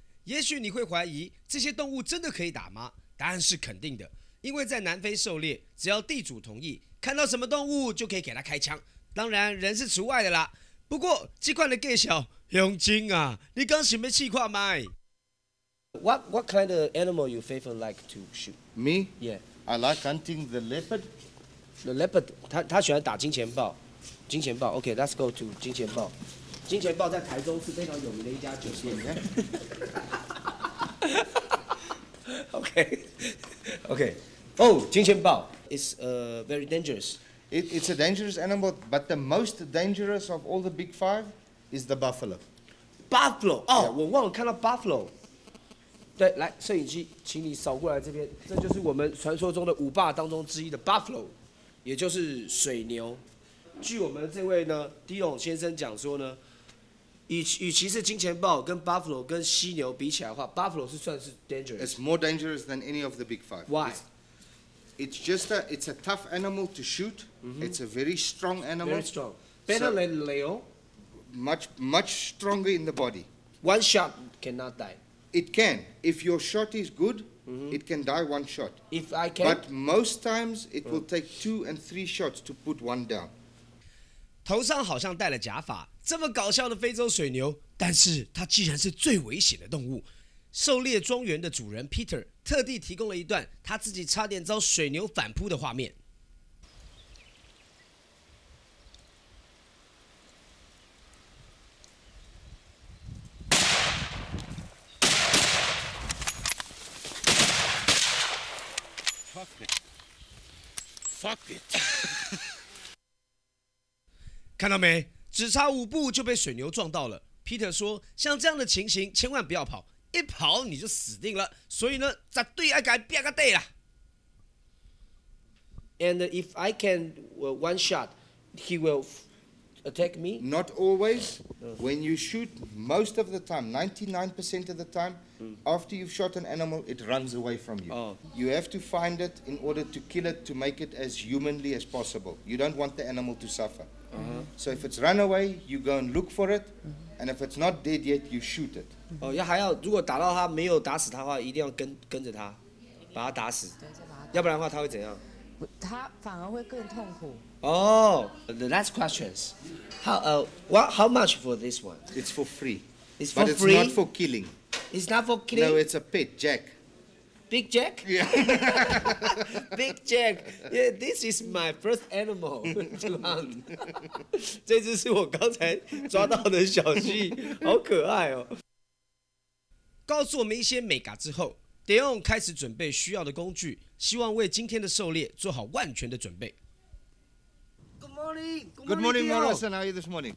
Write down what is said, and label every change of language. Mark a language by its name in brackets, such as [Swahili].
[Chinese] 也许你会怀疑，这些动物真的可以打吗？答案是肯定的，因为在南非狩猎，只要地主同意。看到什么动物就可以给他开枪，当然人是除外的啦。不过这款的 Gage 小佣金啊，你刚想要试看麦 [English] ？What kind of animal you favor like to shoot? Me? Yeah. I like hunting the leopard. The leopard， [Chinese] 他喜欢打金钱豹。金钱豹 ，OK， [English] Let's go to [Chinese] 金钱豹。金钱豹在台中是非常有名的一家酒店。 [English] OK。 Oh, 金钱豹 is very dangerous. It's a dangerous animal, but the most dangerous of all the big five is the buffalo. Buffalo? Oh, yeah. [Chinese] 我忘了看到 [English] buffalo. [Chinese] 对，来，摄影机，请你扫过来这边。这就是我们传说中的五霸当中之一的 buffalo， 也就是水牛。据我们这位呢 Dion 先生讲说呢，与其是金钱豹跟 buffalo 跟犀牛比起来的话 ，buffalo 是算是 dangerous. [English] It's more dangerous than any of the big five. Why? It's a tough animal to shoot.、Mm-hmm. It's a very strong animal. Very strong. Better than Leo. Much stronger in the body. One shot cannot die. It can. If your shot is good,、mm-hmm. it can die one shot. If I can. But most times, it will take 2 and 3 shots to put one down. [Chinese] 头上好像戴了假发，这么搞笑的非洲水牛，但是它既然是最危险的动物。狩猎庄园的主人 Peter 特地提供了一段他自己差点遭水牛反扑的画面。 [English] Fuck it. [Chinese] 看到没？只差五步就被水牛撞到了。Peter 说，像这样的情形千万不要跑，一跑你就死定了。所以呢，绝对要给他拼个底啦。 [English] And if I can one shot, he will attack me. Not always. When you shoot, most of the time, 99% of the time, after you've shot an animal, it runs away from you. You have to find it in order to kill it to make it as humanly as possible. You don't want the animal to suffer. So if it's run away, you go and look for it. And if it's not dead yet, you shoot it. [Chinese] 哦，要还要，如果打到他没有打死他的话，一定要跟着他，把他打死。要不然的话，他会怎样？他反而会更痛苦。 [English] The last questions. How much for this one? It's for free. It's for free. But it's not for killing. It's not for killing. No, it's a pet, Jack. Big Jack? Yeah. Big Jack. Yeah, this is my first animal to hunt. [Chinese] 这只是我刚才抓到的小蜥蜴，好可爱哦。告诉我们一些美嘎之后，迪翁开始准备需要的工具，希望为今天的狩猎做好万全的准备。 [English] Good morning, Morrison. How are you this morning?